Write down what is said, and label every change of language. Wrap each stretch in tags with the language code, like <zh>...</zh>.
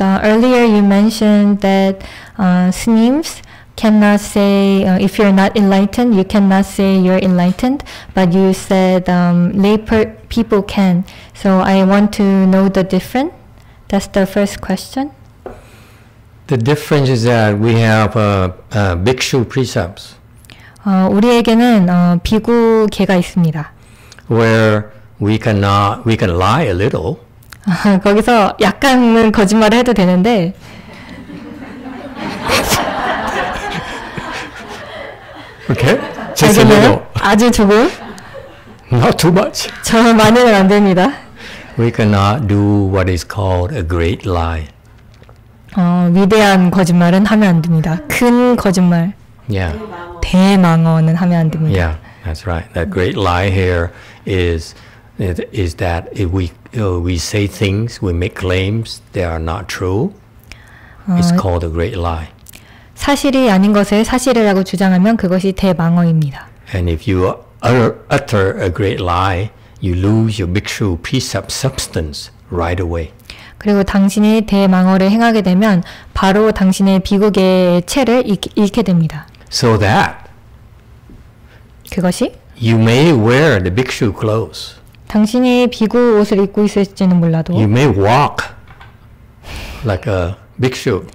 <en>Earlier you mentioned that snims cannot say, if you're not enlightened, you cannot say you're enlightened, but you said people can. So I want to know the difference. That's the first question. The difference is that we have bhikshu precepts.</en> <ko>우리에게는 비구계가 있습니다.</ko> <en>Where we can lie a little.</en> <ko>거기서 약간은 거짓말을 해도 되는데.</ko> <en>Okay, just a little.</en> <ko>아주 조금.</ko> <en>Not too much.</en> <ko>저 많이는 안 됩니다.</ko> <en>We cannot do what is called a great lie.</en> <ko>위대한 거짓말은 하면 안 됩니다. 큰 거짓말.</ko> <en>Yeah.</en> <ko>대망어는 하면 안 됩니다.</ko> <en>Yeah, that's right. The great lie here is that if we say things, we make claims that are not true. It's called a great lie.</en> <ko>사실이 아닌 것을 사실이라고 주장하면 그것이 대망어입니다.</ko> <en>And if you utter a great lie, you lose your bhikshu precept substance right away.</en> <ko>그리고 당신이 대망어를 행하게 되면 바로 당신의 비극의 체를 잃게 됩니다.</ko> <en>So that</en> <ko>그것이</ko> <en>You may wear the bhikshu clothes.</en> <ko>당신이 비구 옷을 입고 있을지는 몰라도</ko> <en>You may walk like a bhikshu.</en>